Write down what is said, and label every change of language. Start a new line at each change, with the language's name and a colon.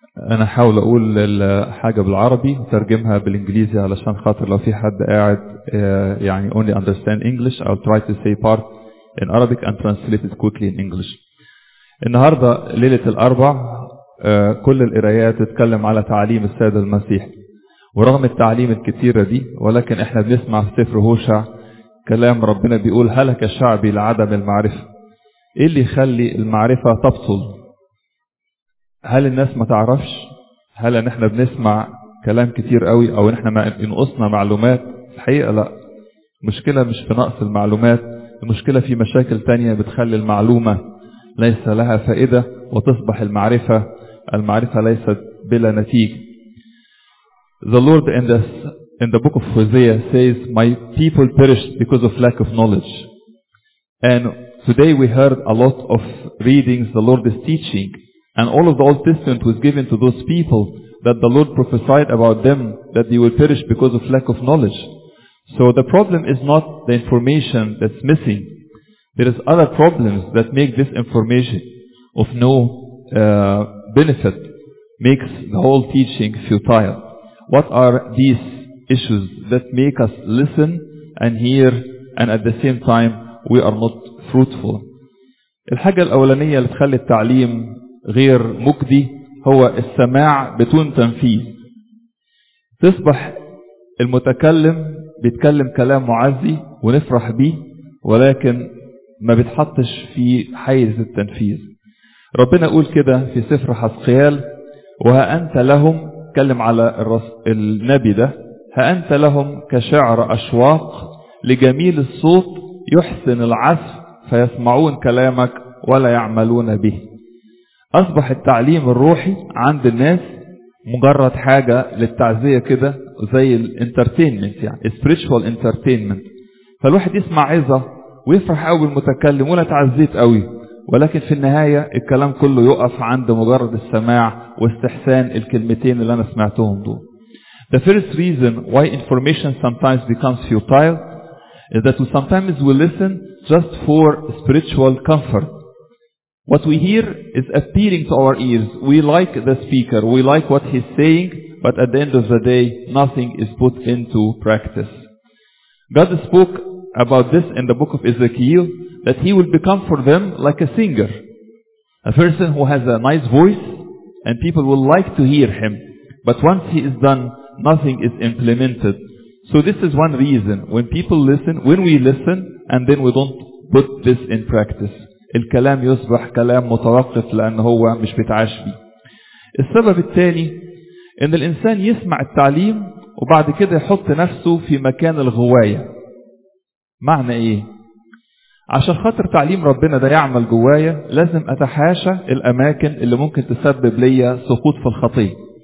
Arabic: انا حاول اقول الحاجه بالعربي ترجمها بالانجليزي علشان خاطر لو في حد قاعد يعني
English: only understand English, I'll try to say part in Arabic and translate it quickly in English.
Arabic: النهارده ليله الاربع كل القرايات تتكلم على تعليم السيد المسيح, ورغم التعليم الكثيره دي ولكن احنا بنسمع في سفر هوشع كلام ربنا بيقول هلك شعبي لعدم المعرفه. ايه اللي يخلي المعرفة تفصل؟ هل الناس ما تعرفش؟ هل ان احنا بنسمع كلام كتير قوي او ان احنا ما ينقصنا معلومات؟ الحقيقة لا, المشكلة مش في نقص المعلومات, المشكلة في مشاكل تانية بتخلي المعلومة ليس لها فائدة وتصبح المعرفة ليست بلا نتيجة.
English: The Lord in the book of Hosea says, my people perished because of lack of knowledge. And today we heard a lot of readings the Lord is teaching, and all of the Old Testament was given to those people that the Lord prophesied about them that they will perish because of lack of knowledge. So the problem is not the information that's missing. There is other problems that make this information of no benefit, makes the whole teaching futile. What are these issues that make us listen and hear and at the same time we are not fruitful?
Arabic: الحاجة الأولانية اللي تخلي التعليم غير مجدي هو السماع بدون تنفيذ. تصبح المتكلم بيتكلم كلام معزي ونفرح بيه ولكن ما بتحطش في حيز التنفيذ. ربنا يقول كده في سفر حزقيال, وها أنت لهم, تكلم على النبي ده, ها أنت لهم كشعر أشواق لجميل الصوت يحسن العزف فيسمعون كلامك ولا يعملون به. أصبح التعليم الروحي عند الناس مجرد حاجة للتعزية كده زي الانترتينمنت, يعني
English: spiritual entertainment.
Arabic: فالواحد يسمع عظة ويفرح قوي بالمتكلم ولا تعزيت قوي, ولكن في النهاية الكلام كله يقف عند مجرد السماع واستحسان الكلمتين اللي أنا سمعتهم دول.
English: The first reason why information sometimes becomes futile is that sometimes we listen just for spiritual comfort. What we hear is appealing to our ears. We like the speaker, we like what he's saying, but at the end of the day, nothing is put into practice. God spoke about this in the book of Ezekiel, that he will become for them like a singer, a person who has a nice voice, and people will like to hear him. But once he is done, nothing is implemented. So this is one reason when people listen, when we listen and then we don't put this in practice.
Arabic: الكلام يصبح كلام متوقف لأن هو مش بتعاش بيه. السبب الثاني ان الانسان يسمع التعليم وبعد كده يحط نفسه في مكان الغواية. معنى ايه؟ عشان خاطر تعليم ربنا ده يعمل جوايا لازم اتحاشى الاماكن اللي ممكن تسبب ليا سقوط في الخطيه.